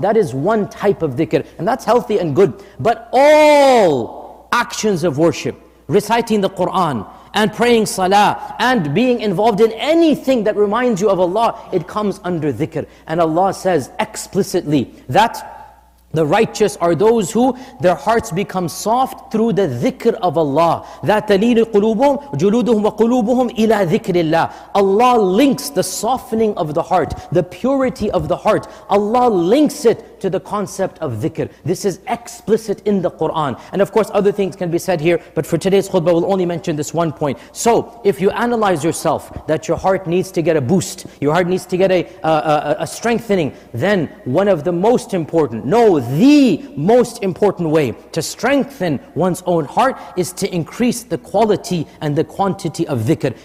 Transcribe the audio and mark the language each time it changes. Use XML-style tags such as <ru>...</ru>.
<en>That is one type of dhikr. And that's healthy and good. But all actions of worship, reciting the Qur'an, and praying salah, and being involved in anything that reminds you of Allah, it comes under dhikr. And Allah says explicitly that the righteous are those who their hearts become soft through the dhikr of Allah.</en> <ar>That تَلِينِ قُلُوبُهُمْ جُلُودُهُمْ وَقُلُوبُهُمْ إِلَىٰ ذِكْرِ اللَّهِ.</ar> <en>Allah links the softening of the heart, the purity of the heart. Allah links it to the concept of dhikr. This is explicit in the Quran. And of course, other things can be said here, but for today's khutbah, we'll only mention this one point. So, if you analyze yourself that your heart needs to get a boost, your heart needs to get a strengthening, then one of the most important, no, the most important way to strengthen one's own heart is to increase the quality and the quantity of dhikr.</en>